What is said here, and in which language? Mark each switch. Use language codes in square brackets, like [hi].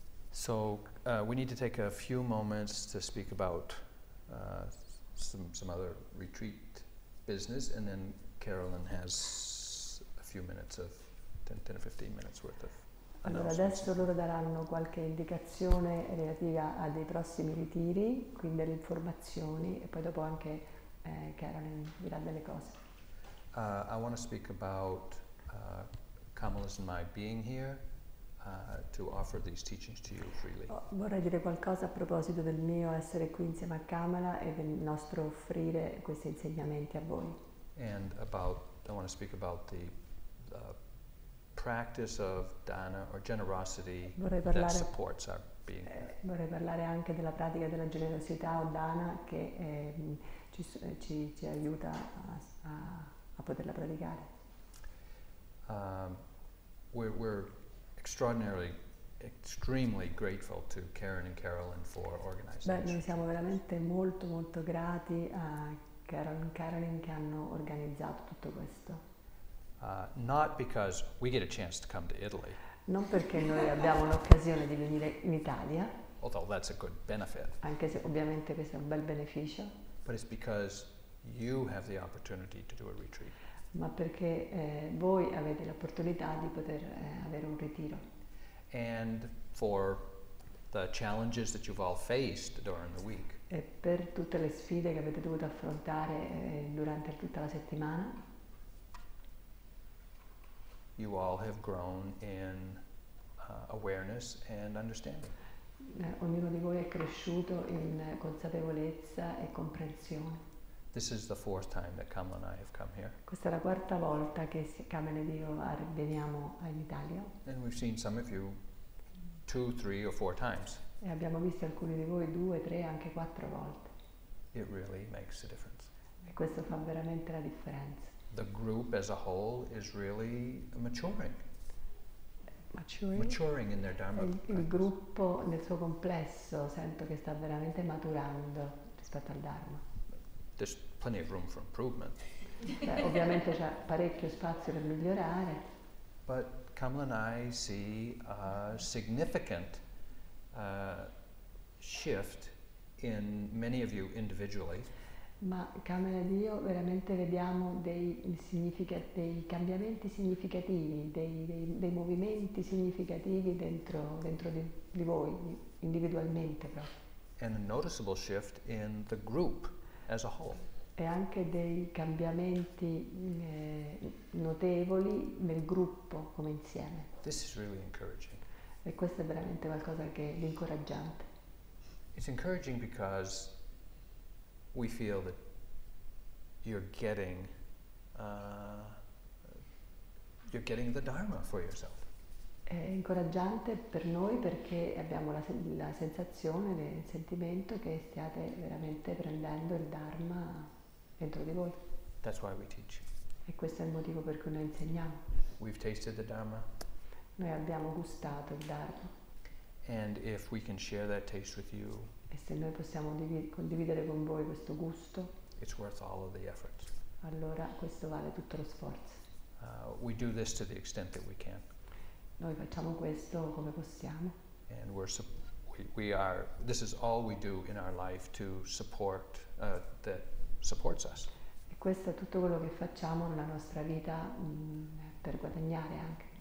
[en] So we need to take a few moments to speak about some other retreat business, and then Carolyn has a few minutes of 10 or 15 minutes worth of. [it] Allora adesso loro daranno qualche indicazione relativa a dei prossimi ritiri, quindi delle informazioni, e poi dopo anche Carolyn dirà delle cose. [en] I want to speak about Kamala's and my being here to offer these teachings to you freely. [it] Vorrei dire qualcosa a proposito del mio essere qui insieme a Kamala e del nostro offrire questi insegnamenti a voi. [en] And about, I want to speak about the practice of dana or generosity that supports our being. [it] Vorrei parlare anche della pratica della generosità o dana che ci aiuta a poterla praticare. [en] We're extremely grateful to Karen and Carolyn for organizing. [it] Beh, noi siamo veramente molto molto grati a Karen e Carolyn che hanno organizzato tutto questo. [en] Not because we get a chance to come to Italy. [it] Non perché noi abbiamo l'occasione di venire in Italia. [en] Although that's a good benefit. [it] Anche se ovviamente questo è un bel beneficio. [en] But it's because you have the opportunity to do a retreat. [it] Ma perché voi avete l'opportunità di poter avere un ritiro. [en] And for the challenges that you've all faced during the week. [it] E per tutte le sfide che avete dovuto affrontare durante tutta la settimana. [en] You all have grown in awareness and understanding. [it] Ognuno di voi è cresciuto in consapevolezza e comprensione. [en] This is the fourth time that Kamala and I have come here. [it] Questa è la quarta volta che Kamala ed io veniamo in Italia. [en] And we've seen some of you two, three, or four times. [it] E abbiamo visto alcuni di voi due, tre, anche quattro volte. [en] It really makes a difference. [it] E questo fa veramente la differenza. [en] The group as a whole is really maturing. Maturing in their dharma. [it] Il gruppo nel suo complesso sento che sta veramente maturando rispetto al dharma. [en] There's plenty of room for improvement. [it] Ovviamente c'è parecchio spazio per migliorare. [en] But Kamala and I see a significant shift in many of you individually. [it] Ma Kamala ed io veramente vediamo dei cambiamenti significativi, dei movimenti significativi dentro di voi individualmente però. [en] And a noticeable shift in the group as a whole. [it] E anche dei cambiamenti notevoli nel gruppo come insieme. [en] This is really encouraging. [it] E questo è veramente qualcosa che è incoraggiante. [en] It's encouraging because we feel that you're getting the Dharma for yourself. [it] È incoraggiante per noi perché abbiamo la sensazione, il sentimento che stiate veramente prendendo il Dharma dentro di voi. [en] That's why we teach. [it] E questo è il motivo per cui noi insegniamo. [en] We've tasted the Dharma. [it] Noi abbiamo gustato il Dharma. [en] And if we can share that taste with you, [it] e se noi possiamo condividere con voi questo gusto, [en] it's worth all of the effort. [it] Allora questo vale tutto lo sforzo. [en] We do this to the extent that we can. [it] Noi facciamo questo come possiamo. [en] and we are. This is all we do in our life to support that supports us. [it] E questo è tutto quello che facciamo nella nostra vita per guadagnare anche.